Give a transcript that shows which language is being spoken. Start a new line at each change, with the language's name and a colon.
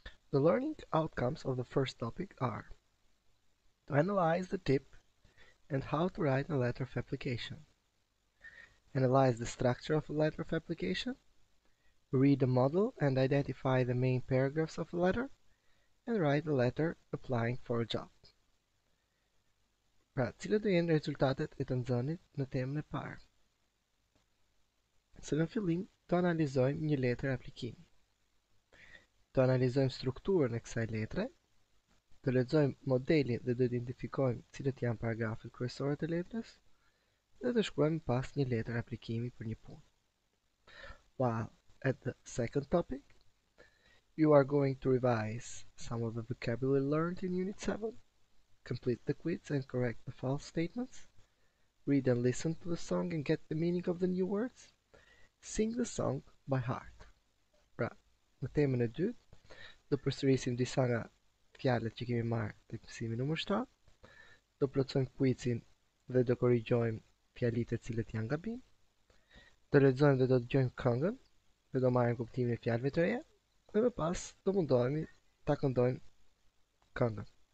English: The learning outcomes of the first topic are to analyze the tip and how to write a letter of application, analyze the structure of a letter of application, read the model and identify the main paragraphs of a letter, and write a letter applying for a job.
Albanian: Pra, cilët do jenë rezultatet e të nxënit në temën e parë? Së në fillim, të analizojmë një letër aplikimi. Të analizojmë strukturën e kësaj letre, të lexojmë modelin dhe të identifikojmë cilët janë paragrafet kryesore të letrës, dhe të shkruajmë pas një letër aplikimi për një punë.
English: While at the second topic, you are going to revise some of the vocabulary learned in Unit 7, complete the quiz and correct the false statements, read and listen to the song and get the meaning of the new words, sing the song by heart.
Albanian: Pra, në temën e dytë, do përsërisim disa nga fjalët që kemi marrë të mësimi nëmër 7, do plotësojmë kuicin dhe do korrigjojmë fjalit e cilët janë gabim, do lexojmë dhe do dëgjojmë këngën dhe do marrim kuptimin e fjalëve të reja, dhe më pas do mundohemi ta këndojmë këngën.